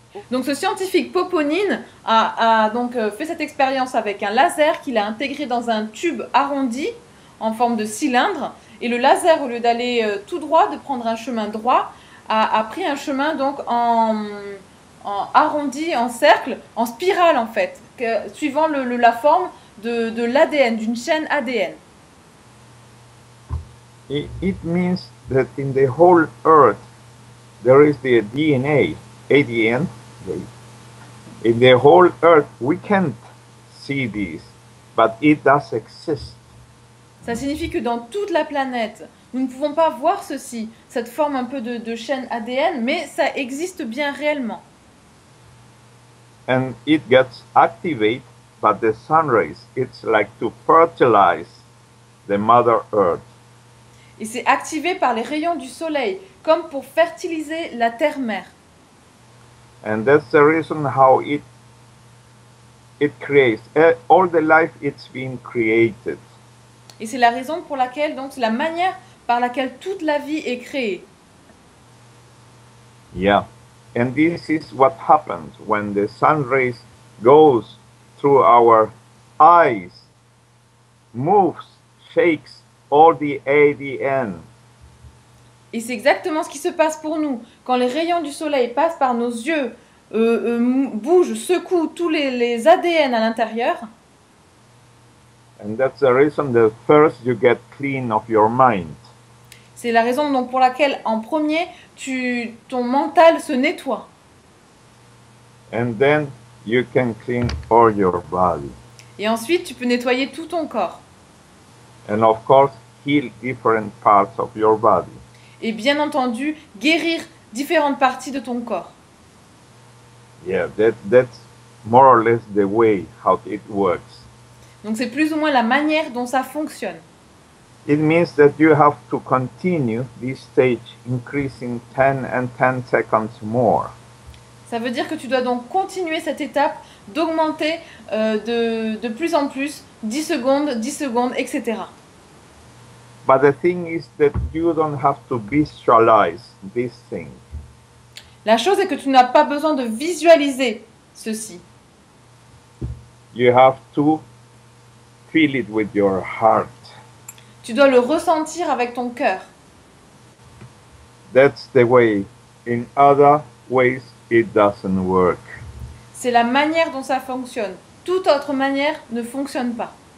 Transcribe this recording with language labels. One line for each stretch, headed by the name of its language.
French: Donc ce scientifique Poponin a donc fait cette expérience avec un laser qu'il a intégré dans un tube arrondi en forme de cylindre. Et le laser, au lieu d'aller tout droit, de prendre un chemin droit, a pris un chemin donc en arrondi, en cercle, en spirale en fait, que, suivant la forme de l'ADN, d'une chaîne ADN.
English: It means that in the whole Earth, there is the DNA, ADN. In the whole Earth, we can't see this, but it does exist.
French: Ça signifie que dans toute la planète, nous ne pouvons pas voir ceci, cette forme un peu de chaîne ADN, mais ça existe bien réellement.
English: And it gets activated by the sun rays. It's like to fertilize the Mother Earth.
French: Et c'est activé par les rayons du soleil, comme pour fertiliser la terre mère.
English: And that's the reason how it creates all the life it's been created.
French: Et c'est la raison pour laquelle, donc, c'est la manière par laquelle toute la vie est créée.
English: Yeah, and this is what happens when the sun rays goes through our eyes, moves, shakes all the ADN.
French: Et c'est exactement ce qui se passe pour nous quand les rayons du soleil passent par nos yeux, bougent, secouent tous les ADN à l'intérieur.
English: And that's the reason that first you get clean of your mind.
French: C'est la raison donc pour laquelle en premier ton mental se nettoie.
English: And then you can clean all your body.
French: Et ensuite tu peux nettoyer tout ton corps.
English: And of course heal different parts of your body.
French: Et bien entendu guérir différentes parties de ton corps.
English: Yeah, that's more or less the way how it works.
French: Donc c'est plus ou moins la manière dont ça fonctionne.
English: It means that you have to continue this stage increasing 10 and 10 seconds more.
French: Ça veut dire que tu dois donc continuer cette étape d'augmenter de plus en plus 10 secondes, 10 secondes, etc.
English: But the thing is that you don't have to visualize this thing.
French: La chose est que tu n'as pas besoin de visualiser ceci.
English: You have to feel it with your heart.
French: Tu dois le ressentir avec ton cœur.
English: That's the way. In other ways, it doesn't work.
French: C'est la manière dont ça fonctionne. Toute autre manière ne fonctionne pas.